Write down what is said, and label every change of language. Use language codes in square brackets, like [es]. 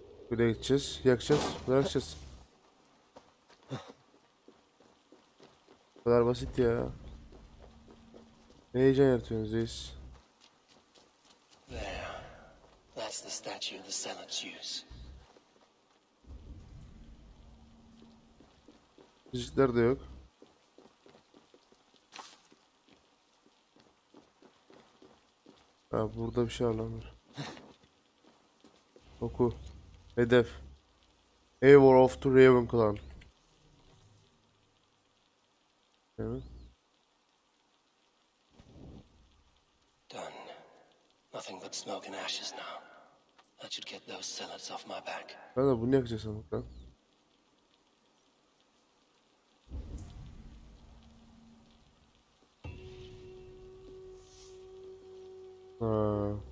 [tr] Buraya gideceğiz. Yakacağız. Bırakacağız. Bu kadar basit ya. Ne heyecan yaratıyorsunuz reis. [en] That's the statue the Senate use. [tr] Müzikler de yok. Ha, burada bir şey var lan var. Oku. Hedef. Eivor of the Ravenclan. Evet. [en] Nothing but smoke and ashes now. That should get those zealots off my back. [tr] Ben de bunu yakacağız sanırım lan. Ha.